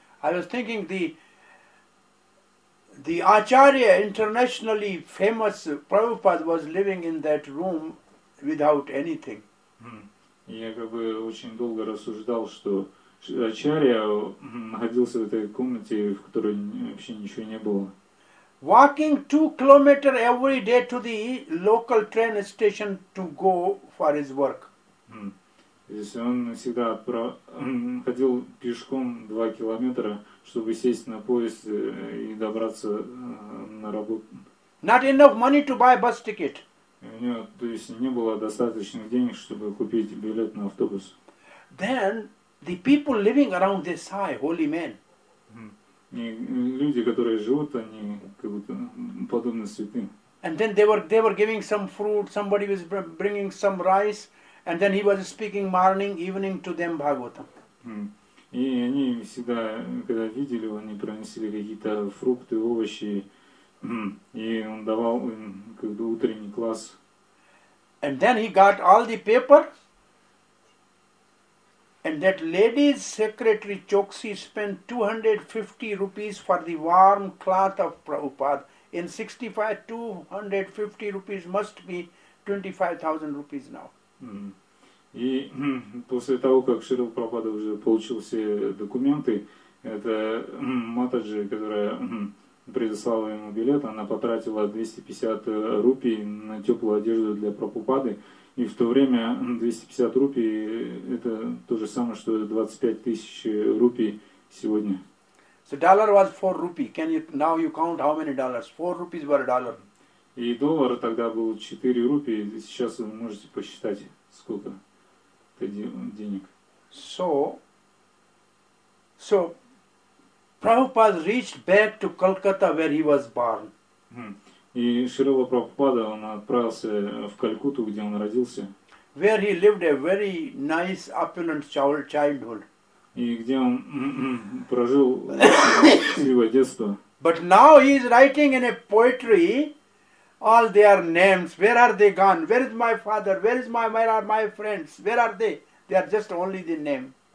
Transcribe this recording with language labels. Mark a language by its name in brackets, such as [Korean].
[English] I was thinking the Acharya, internationally famous Prabhupada, was living in that room without anything. [Russian] Я как бы очень долго рассуждал, что Ачарья находился в этой комнате, в которой вообще ничего не было. [English] Walking 2 kilometers every day to the local train station to go for his work. [Russian] Если он всегда ходил пешком 2 километра, чтобы сесть на поезд и добраться на работу. [English] Not enough money to buy bus ticket. [Russian] У него, то есть, не было достаточных денег, чтобы купить билет на автобус. [English] Then the people living around this high, holy man. [Russian] И люди, которые живут, они как будто подобны святым. [English] And then they were giving some fruit. Somebody was bringing some rice. And then he was speaking morning, evening to them Bhagavatam. [Russian] И они всегда, когда видели, они приносили какие-то фрукты, овощи, и он давал им как бы утренний класс. [English] And then he got all the paper. And that lady's secretary Choksi spent 250 rupees for the warm cloth of Prabhupada. In 65, 250 rupees must be 25,000 rupees now. [Russian] И после того, как Шрила Прабхупада уже получил все документы, эта матаджи, которая предоставила ему билет, она потратила 250 рупий на теплую одежду для Прабхупады. И в то время 250 рупий – это то же самое, что 25 тысяч рупий сегодня. [English] So dollar was 4 rupees. Can you now you count how many dollars? 4 rupees were a dollar. [Russian] И доллар тогда был 4 рупии. Сейчас вы можете посчитать, сколько это денег. [English] So Prabhupada reached back to Calcutta where he was born. [Russian] И Шрила Прабхупада, он отправился в Калькутту, где он родился. [English] Where he lived a very nice opulent childhood. [Russian] И где он прожил счастливое детство. [English] But now he is writing in a poetry all their names. Where are they gone? Where is my father? Where is my where are my friends? Where are they? They are just only the name.